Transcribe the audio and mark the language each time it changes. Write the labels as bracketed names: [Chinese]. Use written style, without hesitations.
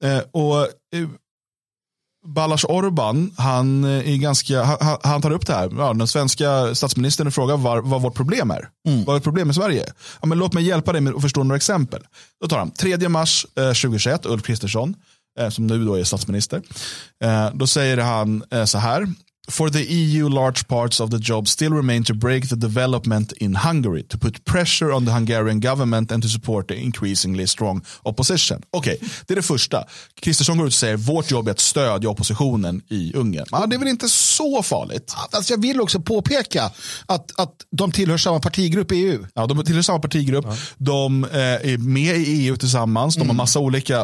[Swedish] Och Balázs Orbán, han är ganska, han tar upp det här. Ja, den svenska statsministern frågar vad vårt problem är. Mm. Vad är problemet i Sverige? Ja, men låt mig hjälpa dig med att förstå några exempel. Då tar han 3 mars 2021, Ulf Kristersson, som nu då är statsminister. Då säger han så här. [English] For the EU, large parts of the job still remain to break the development in Hungary, to put pressure on the Hungarian government and to support the increasingly strong opposition. [Swedish] Okej, okay, det är det första. Kristersson går ut och säger vårt jobb är att stödja oppositionen i Ungern. Ja, det är väl inte så farligt. Alltså, jag vill också påpeka att de tillhör samma partigrupp i EU. Ja, de tillhör samma partigrupp. Ja. De är med i EU tillsammans. De har massa olika.